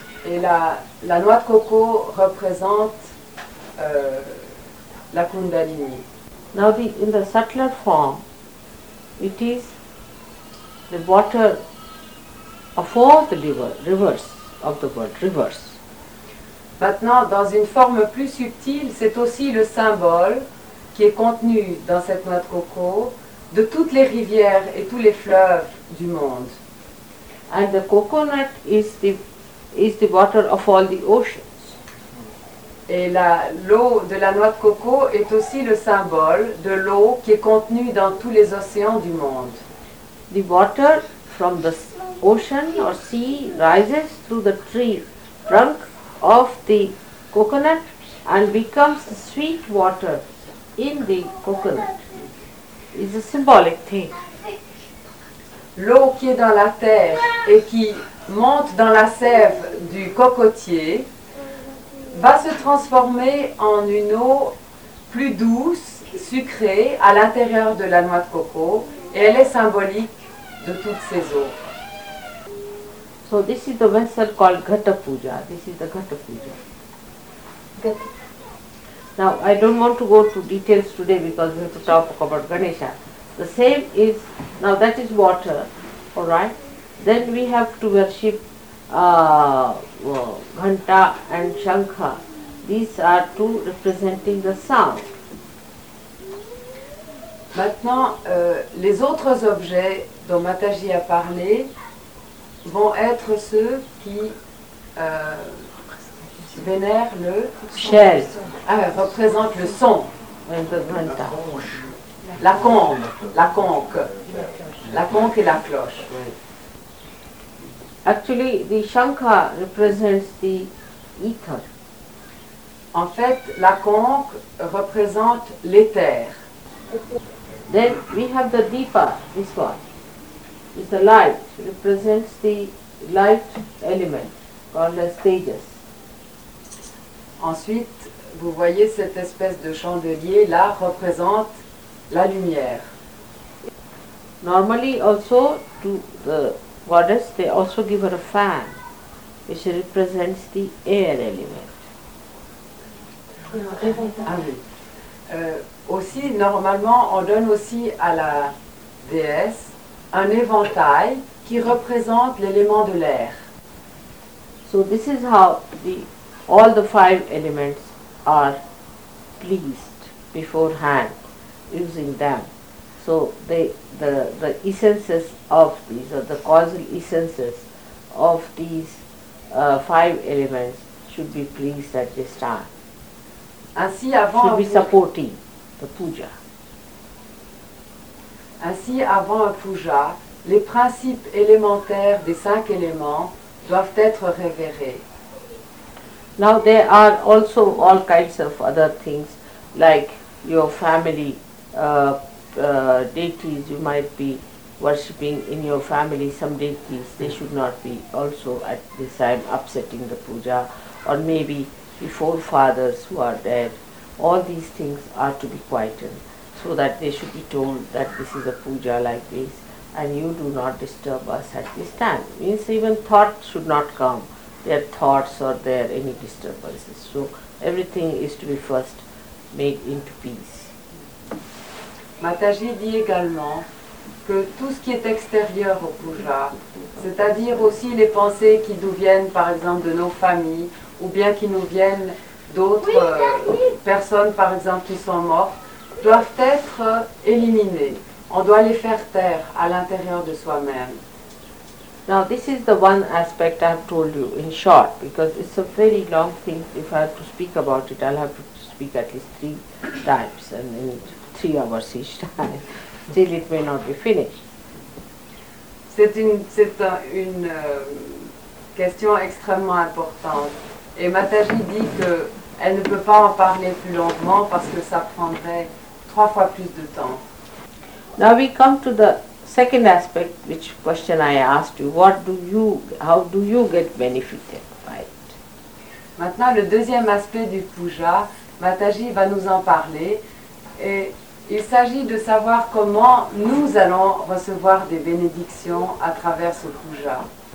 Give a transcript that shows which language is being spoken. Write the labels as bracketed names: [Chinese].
[French] Et la noix de coco représente la kundalini. [English] Now, in the subtler form, it is the water of all the rivers of the world, rivers. [French] Maintenant, dans une forme plus subtile, c'est aussi le symbole qui est contenu dans cette noix de coco de toutes les rivières et tous les fleuves du monde. [English] And the coconut is the water of all the oceans. [French] Et l'eau de la noix de coco est aussi le symbole de l'eau qui est contenue dans tous les océans du monde. [English] The water from the ocean or sea rises through the tree trunk of the coconut and becomes the sweet water in the coconut. It's a symbolic thing. [French] L'eau qui est dans la terre et qui monte dans la sève du cocotier va se transformer en une eau plus douce, sucrée, à l'intérieur de la noix de coco, et elle est symbolique de toutes ces eaux. [English] So this is the vessel called ghata puja. This is the ghata puja. Now, I don't want to go to details today because we have to talk about Ganesha. The same is, now that is water, all right? Then we have to worship Ghanta and Shankha. These are two representing the sound. [French] Maintenant, les autres objets dont Mataji a parlé vont être ceux qui vénèrent le chêne. Ah, représentent le son. La conque. La conque. La conque et la cloche. [English] Actually, the Shankha represents the ether. [French] En fait, la conque représente l'éther. [English] Then we have the Deepa, this one. It's the light, represents the light element, called as Tejas. [French] Ensuite, vous voyez cette espèce de chandelier, là, représente la lumière. [English] Normally also, to the goddess, they also give her a fan, which represents the air element. [French] Ah oui. Aussi, normalement, on donne aussi à la déesse un éventail qui représente l'élément de l'air. [English] So this is how all the five elements are pleased beforehand using them. So the essences of these, or the causal essences of these five elements should be pleased at this time. [French] Ainsi, avant [English] should be supporting the puja. [French] Ainsi, avant un puja, les principes élémentaires des cinq éléments doivent être révérés. [English] Now there are also all kinds of other things, like your family deities. You might be worshipping in your family some deities. They should not be also at this time upsetting the puja, or maybe the forefathers who are dead. All these things are to be quieted, so that they should be told that this is a puja like this, and you do not disturb us at this time. Means even thought should not come, their thoughts or their any disturbances. So everything is to be first made into peace. [French] Mataji dit également que tout ce qui est extérieur au puja, c'est-à-dire aussi les pensées qui nous viennent par exemple de nos familles, ou bien qui nous viennent d'autres personnes, par exemple, qui sont mortes, doivent être éliminées. On doit les faire taire à l'intérieur de soi-même. [English] Now, this is the one aspect I have told you in short, because it's a very long thing. If I have to speak about it, I'll have to speak at least three times, and in 3 hours each time. Still, it may not be finished. [French] C'est une question extrêmement importante. Et Mataji dit que elle ne peut pas en parler plus longuement parce que ça prendrait 3 fois plus de temps. [English] Now we come to the second aspect, which question I asked you. How do you get benefited by it? [French] Maintenant, le deuxième aspect du puja, Mataji va nous en parler. Et il s'agit de savoir comment nous allons recevoir des bénédictions à travers ce puja.